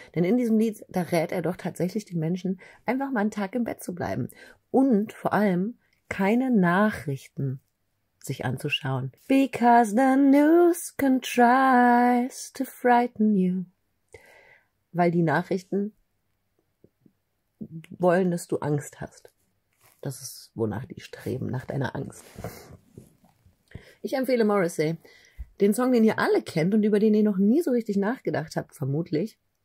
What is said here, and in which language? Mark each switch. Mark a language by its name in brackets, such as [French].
[German] Denn in diesem Lied, da rät er doch tatsächlich den Menschen, einfach mal einen Tag im Bett zu bleiben. Und vor allem keine Nachrichten sich anzuschauen. [English] Because the news contrives to frighten you. [German] Weil die Nachrichten wollen, dass du Angst hast. Das ist, wonach die streben, nach deiner Angst. Ich empfehle Morrissey. Den Song, den ihr alle kennt und über den ihr noch nie so richtig nachgedacht habt, vermutlich.